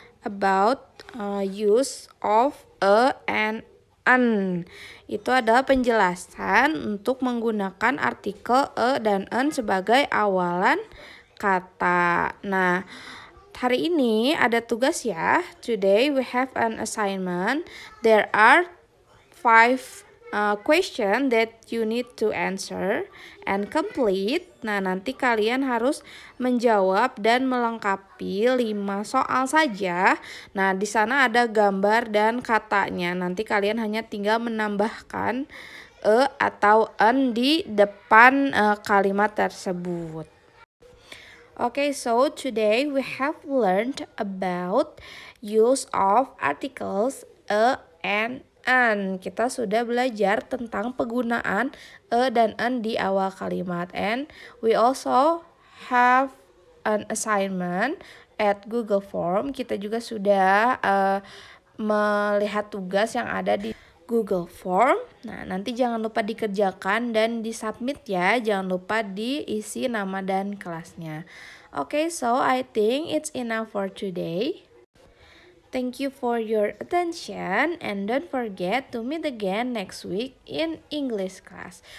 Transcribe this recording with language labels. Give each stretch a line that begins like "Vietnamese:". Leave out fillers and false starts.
English: about use of a and an.
Indonesian: Itu ada penjelasan untuk menggunakan artikel a dan an sebagai awalan kata. Nah, hari ini ada tugas ya.
English: Today we have an assignment. There are 5 question that you need to answer and complete.
Indonesian: Nah, nanti kalian harus menjawab dan melengkapi 5 soal saja. Nah, di sana ada gambar dan katanya. Nanti kalian hanya tinggal menambahkan e atau an di depan kalimat tersebut.
English: Okay, so today we have learned about use of articles a and an.
Indonesian: Kita sudah belajar tentang penggunaan a dan an di awal kalimat.
English: And we also have an assignment at Google Form.
Indonesian: Kita juga sudah melihat tugas yang ada di Google Form. Nah, nanti jangan lupa dikerjakan dan disubmit ya. Jangan lupa diisi nama dan kelasnya.
English: Okay, so I think it's enough for today. Thank you for your attention and don't forget to meet again next week in English class.